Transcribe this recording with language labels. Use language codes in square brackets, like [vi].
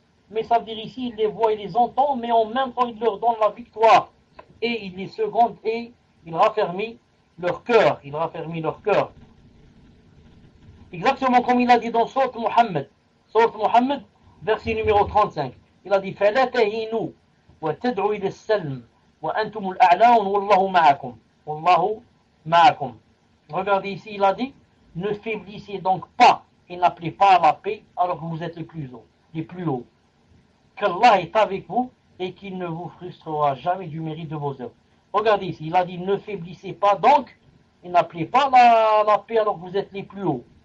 [fr] Mais ça veut dire ici, il les voit et les entend, mais en même temps, il leur donne la victoire. Et il les seconde et il raffermit leur cœur. Il raffermit leur cœur. Exactement comme il a dit dans Sourate Muhammad. Sourate Muhammad, verset numéro 35. Il a dit [ar] فَلَا تَهِنُوا وَتَدْعُوا إِلَى السَّلْمِ وَأَنْتُمُ الْأَعْلَاونَ وَاللَّهُ مَعَكُمْ وَاللَّهُ مَعَكُمْ. [fr] Regardez ici, il a dit ne faiblissez donc pas et n'appelez pas à la paix alors que vous êtes les plus hauts, les plus hauts. Qu'Allah est avec vous et qu'il ne vous frustrera jamais du mérite de vos œuvres. Regardez ici, il a dit ne faiblissez pas donc et n'appelez pas la paix alors que vous êtes les plus hauts.